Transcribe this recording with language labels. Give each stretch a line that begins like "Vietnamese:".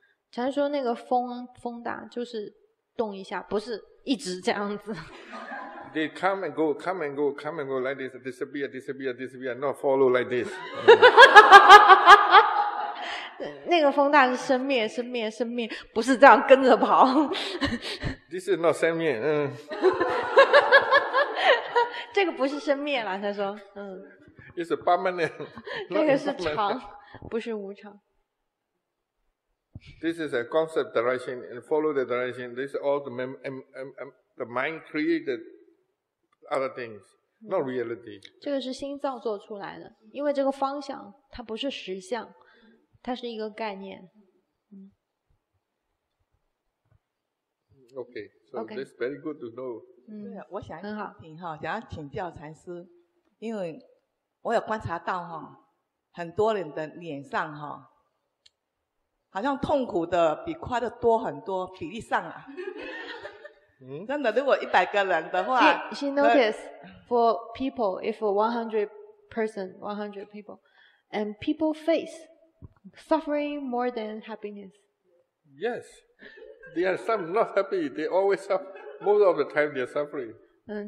Chinese: 禅说那个风大就是动一下，不是一直这样子。
English: They come and go, come and go, come and go like this. Disappear, disappear, disappear. Not follow like this.
Chinese: 那个风大是生灭，生灭，生灭，不是这样跟着跑。
English: This is not 生灭，
Chinese: 这个不是生灭了，他说，
English: It's a permanent.
Chinese: 这个是长，不是无常。
English: This is a concept direction and follow the direction. This is all the mind created other things, not reality.
Chinese: 这个是心造作出来的，因为这个方向它不是实相。它是一个概念。
English: Okay, so this is very good to know.
Chinese: 对，我想请哈，想要请教禅师，因为我有观察到哈，很多人的脸上哈，好像痛苦的比快乐多很多，比例上啊。真的，如果100个人的话
English: ，She noticed for people, if 100 person, 100 people, and people face. Suffering more than happiness. Yes, they are some not happy. They always suffer. Most of the time, they are suffering.